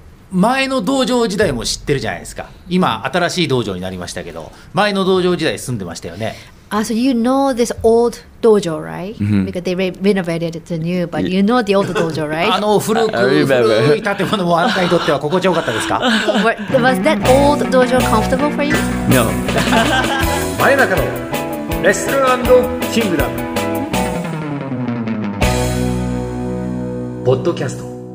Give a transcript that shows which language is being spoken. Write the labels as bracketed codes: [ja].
[ja] 前の道場時代も知ってるじゃないですか。今新しい道場になりましたけど、前の道場時代住んでましたよね。 [en] So you know this old dojo, right? Mm-hmm. Because they renovated it to new, but you know the old dojo, right? [ja] あの古い建物もあなたにとっては心地よかったですか？ [en] Was that old dojo comfortable for you? No. [ja] 真夜中のレッスル&キングダム。ポッドキャスト。